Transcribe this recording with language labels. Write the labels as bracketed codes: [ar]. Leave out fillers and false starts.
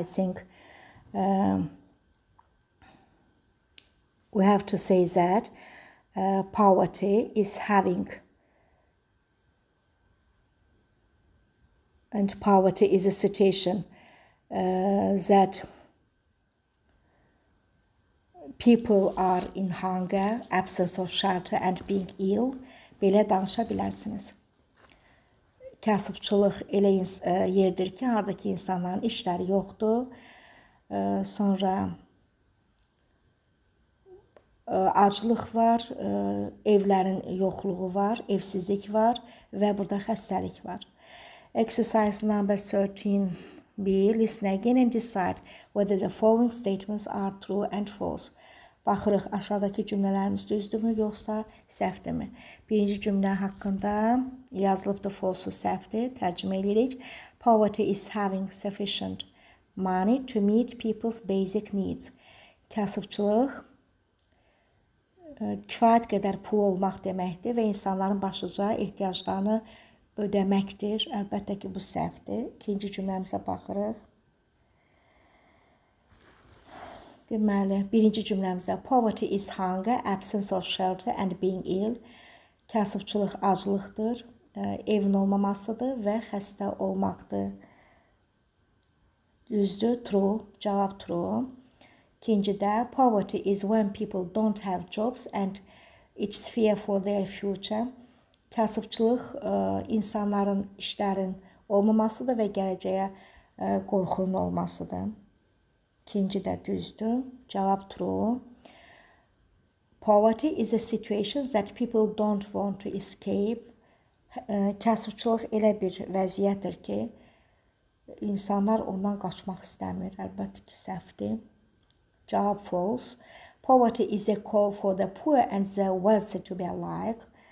[en] I think we have to say that poverty is having, and poverty is a situation that people are in hunger, absence of shelter and being ill. [az] Belə danışa bilərsiniz. Kasıbçılıq elə yerdir ki, oradakı insanların işləri yoxdur. Sonra aclıq var, evlərin yoxluğu var, evsizlik var və burada xəstəlik var. [en] Exercise number 13B. Listen again and decide whether the following statements are true and false. [az] Baxırıq, aşağıdakı cümlələrimiz düzdürmü, yoxsa səhvdirmi? Birinci cümlə haqqında yazılıb da false səhvdir. Tərcümə edirik. [en] Poverty is having sufficient money to meet people's basic needs. [az] Kasıbçılıq kifayət qədər pul olmaq deməkdir və insanların başlıca ehtiyaclarını ödəməkdir. Əlbəttə ki, bu səhvdir. İkinci cümləmizə baxırıq. Deməli, birinci cümləmizdə [en] poverty is hunger, absence of shelter and being ill. [az] Kasıbçılıq aclıqdır, evin olmamasıdır və xəstə olmaqdır. Düzdür, true, cavab true. [en] İkincidə, poverty is when people don't have jobs and it's fear for their future. [az] Kasıbçılıq insanların işlərin olmamasıdır və gələcəyə qorxunun olmasıdır. İkinci də düzdür. Cavab true. [en] Poverty is a situation that people don't want to escape. [az] Kasıbçılıq elə bir vəziyyətdir ki, insanlar ondan qaçmaq istəmir. Əlbəttə ki, səhvdir. Cavab false. [en] Poverty is a call for the poor and the wealthy to be alike.